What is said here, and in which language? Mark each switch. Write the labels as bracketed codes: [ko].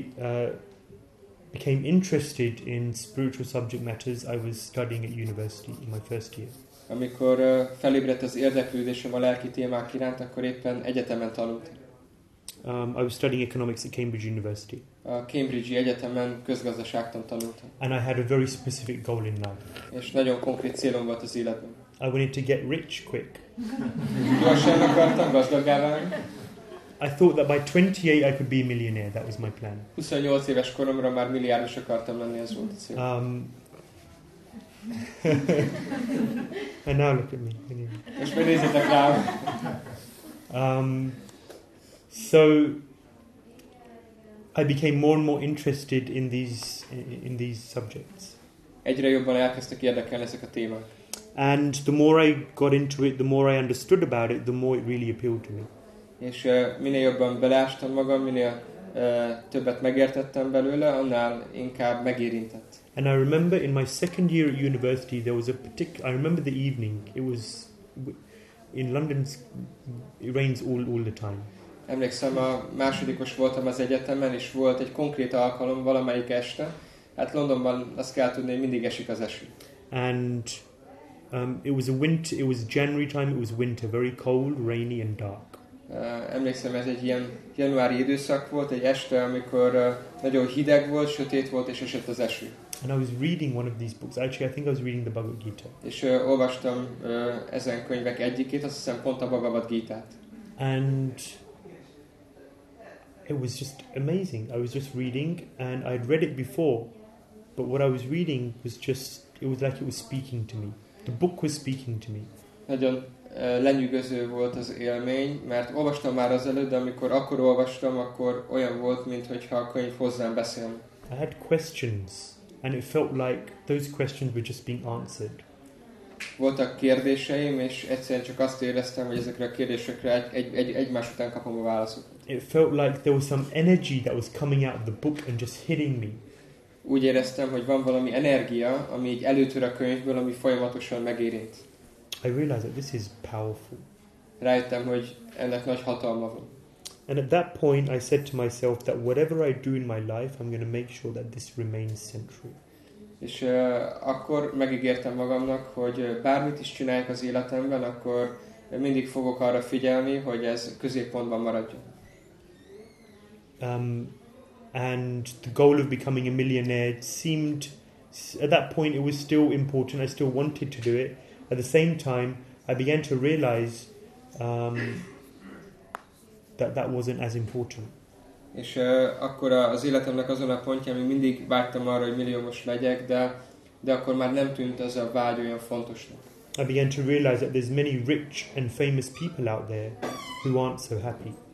[en] When I became interested in spiritual subject matters, I was studying at university in my first year. [hu] Amikor felébredt az érdeklődésem a lelki témák iránt, akkor éppen egyetemen tanultam. [en] I was studying economics at Cambridge University. [hu] A Cambridge-i egyetemen közgazdaságtan tanultam. [en] And I had a very specific goal in life. [hu] És nagyon konkrét célom volt az életben. [en] I wanted to get rich quick. [hu] Gyorsan akartam gazdaggá válni. [en] I thought that by 28 I could be a millionaire. That was my plan. [hu] 28 éves koromra már milliárdos akartam lenni, ez volt a cél. [en] And now look at me. [hu] És benézzetek rám. [en] So I became more and more interested in these subjects. [hu] Egyre jobban elkezdtek érdekelni ezek a témák. [en] And the more I got into it, the more I understood about it, the more it really appealed to me. [hu] És minél jobban beleástam magam, minél többet megértettem belőle, annál inkább megérintett. [en] And I remember in my second year at university there was a particular, I remember the evening, it was in London, it rains all the time. [hu] Emlékszem, a másodikos voltam az egyetemen, és volt egy konkrét alkalom valamelyik este. Hát Londonban azt kell tudni, hogy mindig esik az eső. [en] And it was a winter, it was January time, it was winter, very cold, rainy and dark. [hu] Emlékszem, ez egy ilyen januári időszak volt, egy este, amikor nagyon hideg volt, sötét volt, és esett az eső. [en] And I was reading one of these books. Actually, I think I was reading the Bhagavad Gita. [hu] És olvastam ezen könyvek egyikét, azt hiszem pont a Bhagavad Gita-t. [en] And it was just amazing. I was just reading, and I'd read it before, but what I was reading was just, it was like it was speaking to me. The book was speaking to me. [hu] Nagyon lenyűgöző volt az élmény, mert olvastam már azelőtt, de amikor akkor olvastam, akkor olyan volt, mintha a könyv hozzám beszélne. [en] I had questions, and it felt like those questions were just being answered. [hu] Voltak kérdéseim, és egyszerűen csak azt éreztem, hogy ezekre a kérdésekre egymás után kapom a válaszokat. [en] It felt like there was some energy that was coming out of the book and just hitting me. [hu] Úgy éreztem, hogy van valami energia, ami így előtör a könyvből, ami folyamatosan megérint. [en] I realized that this is powerful. [hu] Rájöttem, hogy ennek nagy hatalma van. [en] And at that point I said to myself that whatever I do in my life I'm going to make sure that this remains central. [hu] És akkor megígértem magamnak, hogy bármit is csináljak az életemben, akkor mindig fogok arra figyelni, hogy ez középpontban maradjon. [en] And the goal of becoming a millionaire seemed at that point it was still important. I still wanted to do it. At the same time, I began to realize that wasn't as important. [hu] És akkor az életemnek azon a pontján, még mindig vártam arra, hogy milliómos legyek, de akkor már nem tűnt az a vágy olyan fontosnak. [en] I began to realize that there's many rich and famous people out there who aren't so happy.